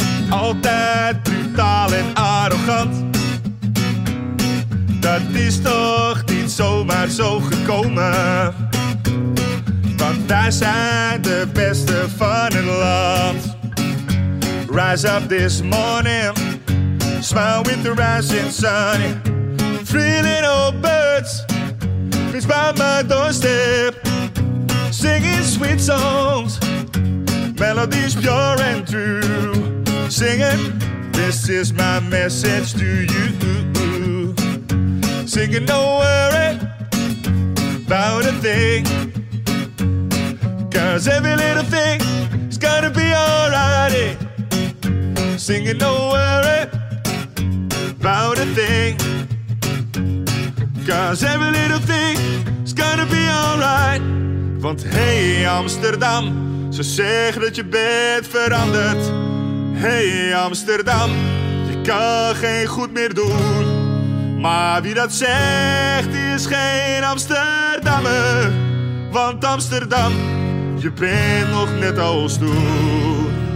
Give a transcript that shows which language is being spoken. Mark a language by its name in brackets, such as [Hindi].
[Dutch] Altijd brutaal en arrogant. Dat is toch niet zomaar zo gekomen. Want wij zijn de beste van het land. [English] Rise up this morning, smile with the rising sun. Three little birds, fly by my doorstep. Singing sweet songs, melodies pure and true. Singing, this is my message to you. Singing, don't worry about a thing. Cause every little thing is gonna be alright. Singing, don't worry about a thing. Cause every little thing is gonna be alright. [Dutch] Want hey Amsterdam, ze zeggen dat je bent veranderd. Hey Amsterdam, je kan geen goed meer doen. Maar wie dat zegt is geen Amsterdammer. Want Amsterdam, je bent nog net als toen.